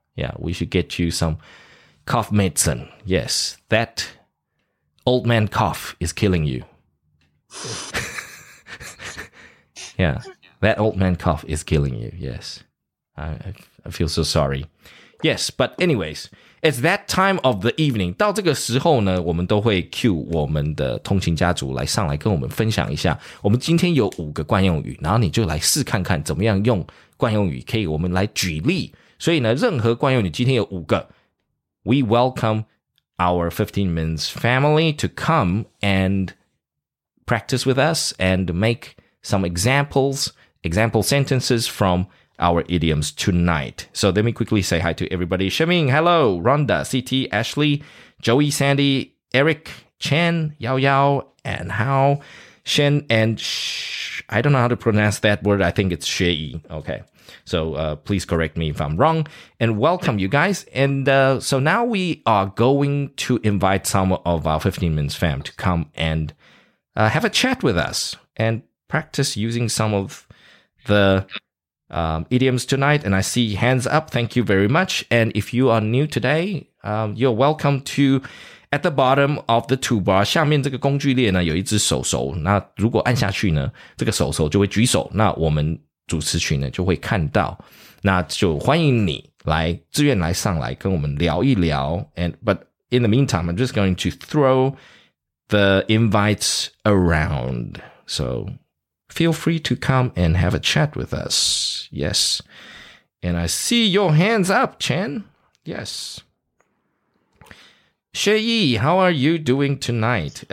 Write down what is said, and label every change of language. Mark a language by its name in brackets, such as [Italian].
[English] Yeah, we should get you some cough medicine. Yes, that old man cough is killing you. Yeah, that old man cough is killing you, yes.I feel so sorry. Yes, but anyways, It's that time of the evening. [Chinese] 到这个时候呢，我们都会 cue 我们的通勤家族来上来跟我们分享一下，我们今天有五个惯用语，然后你就来试看看怎么样用惯用语，可以我们来举例。所以呢，任何惯用语今天有五个。 [English] We welcome our 15 minutes family to come and practice with us and make some example sentences from our idioms tonight. So let me quickly say hi to everybody. Shaming, hello, Rhonda, CT, Ashley, Joey, Sandy, Eric, Chen, Yao Yao, and Hao, Shen, and I don't know how to pronounce that word. I think it's Xie Yi. Okay. So please correct me if I'm wrong. And welcome, you guys. And so now we are going to invite some of our 15 Minutes fam to come and have a chat with us and practice using some of the idioms tonight. And I see hands up. Thank you very much. And if you are new today, you're welcome to at the bottom of the toolbar. [Chinese] 下面这个工具列呢有一只手手，那如果按下去呢，这个手手就会举手，那我们主持群呢就会看到，那就欢迎你来自愿来上来跟我们聊一聊。 [English] And but in the meantime, I'm just going to throw the invites around, so feel free to come and have a chat with us. Yes, and I see your hands up, Chen. Yes, Xie Yi, how are you doing tonight?